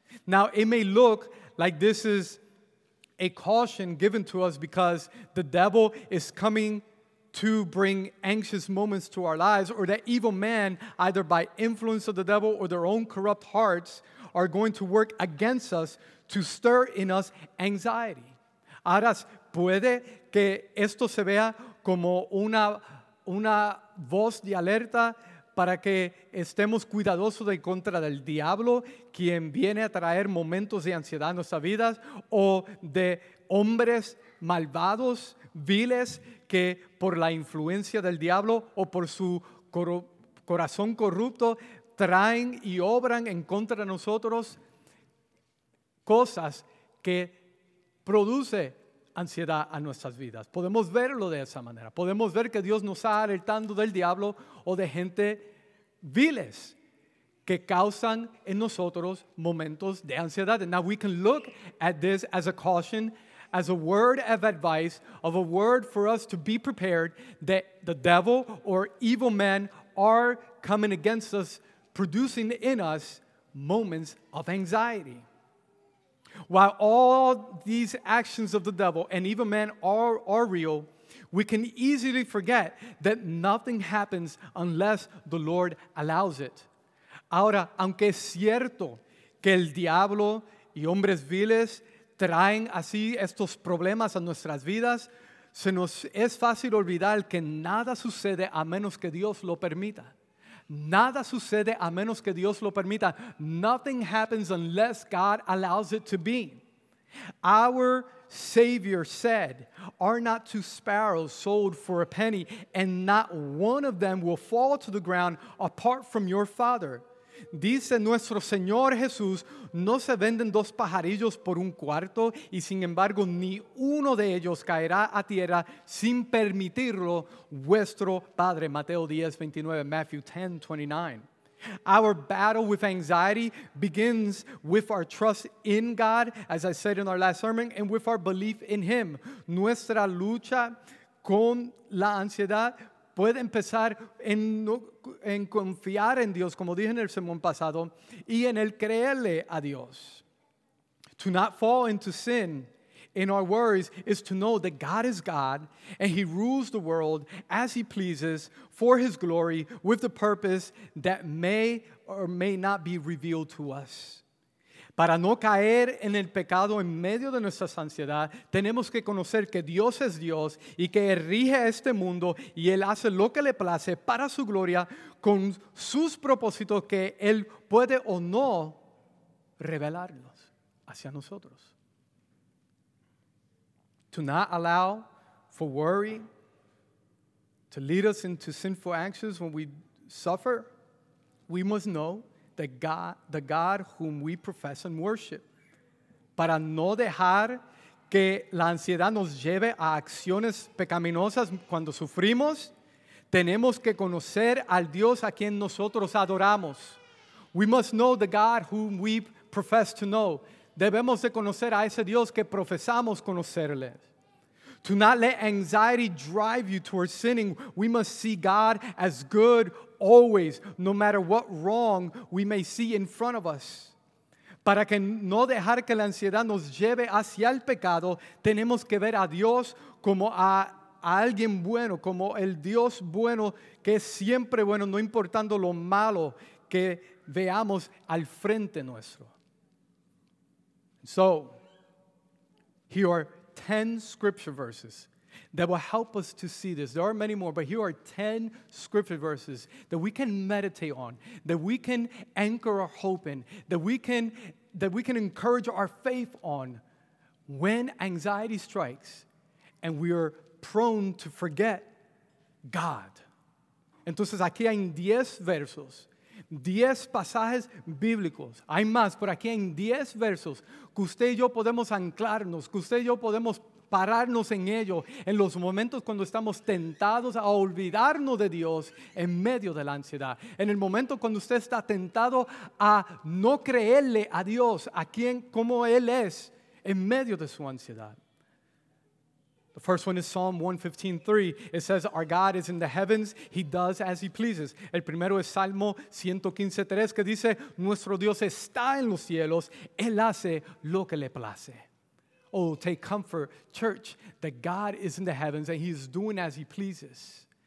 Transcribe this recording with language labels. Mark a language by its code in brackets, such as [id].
[en] Now, it may look like this is a caution given to us because the devil is coming to bring anxious moments to our lives, or that evil man, either by influence of the devil or their own corrupt hearts, are going to work against us to stir in us anxiety. [es] Ahora, puede que esto se vea como una voz de alerta para que estemos cuidadosos en contra del diablo, quien viene a traer momentos de ansiedad en nuestras vidas, o de hombres malvados, viles, que por la influencia del diablo o por su corazón corrupto traen y obran en contra de nosotros cosas que produce ansiedad a nuestras vidas. Podemos verlo de esa manera. Podemos ver que Dios nos está alertando del diablo o de gente viles que causan en nosotros momentos de ansiedad. [en] And now we can look at this as a caution, as a word of advice, of a word for us to be prepared that the devil or evil men are coming against us, producing in us moments of anxiety. While all these actions of the devil and evil men are real, we can easily forget that nothing happens unless the Lord allows it. [es] Ahora, aunque es cierto que el diablo y hombres viles traen así estos problemas a nuestras vidas, se nos es fácil olvidar que nada sucede a menos que Dios lo permita. Nada sucede a menos que Dios lo permita. [en] Nothing happens unless God allows it to be. Our Savior said, "Are not two sparrows sold for a penny, and not one of them will fall to the ground apart from your Father." [es] Dice nuestro Señor Jesús, no se venden dos pajarillos por un cuarto, y sin embargo ni uno de ellos caerá a tierra sin permitirlo vuestro Padre. [en] Matthew 10:29. Our battle with anxiety begins with our trust in God, as I said in our last sermon, and with our belief in Him. [es] Nuestra lucha con la ansiedad puede empezar en confiar en Dios, como dije en el sermón pasado, y en el creerle a Dios. [en] To not fall into sin in our worries is to know that God is God, and He rules the world as He pleases for His glory with the purpose that may or may not be revealed to us. [es] Para no caer en el pecado en medio de nuestra ansiedad, tenemos que conocer que Dios es Dios y que Él rige este mundo y Él hace lo que le place para su gloria con sus propósitos que Él puede o no revelarlos hacia nosotros. [en] To not allow for worry to lead us into sinful actions when we suffer, we must know the God whom we profess and worship. [es] Para no dejar que la ansiedad nos lleve a acciones pecaminosas cuando sufrimos, tenemos que conocer al Dios a quien nosotros adoramos. [en] We must know the God whom we profess to know. [es] Debemos de conocer a ese Dios que profesamos conocerle. [en] To not let anxiety drive you towards sinning, we must see God as good always, no matter what wrong we may see in front of us. [es] Para que no dejar que la ansiedad nos lleve hacia el pecado, tenemos que ver a Dios como a a alguien bueno, como el Dios bueno, que es siempre bueno, no importando lo malo que veamos al frente nuestro. [en] So, here are 10 scripture verses that will help us to see this. There are many more, but here are 10 scripture verses that we can meditate on, that we can anchor our hope in, that we can encourage our faith on when anxiety strikes and we are prone to forget God. [es] Entonces, aquí hay 10 versos, 10 pasajes bíblicos. Hay más, pero aquí hay 10 versos que usted y yo podemos anclarnos, que usted y yo podemos pararnos en ello en los momentos cuando estamos tentados a olvidarnos de Dios en medio de la ansiedad. En el momento cuando usted está tentado a no creerle a Dios, a quien, como Él es, en medio de su ansiedad. [en] The first one is Psalm 115:3. It says, our God is in the heavens. He does as he pleases. [es] El primero es Salmo 115:3, que dice, nuestro Dios está en los cielos. Él hace lo que le place. [en] Oh, take comfort, church, that God is in the heavens and he is doing as he pleases.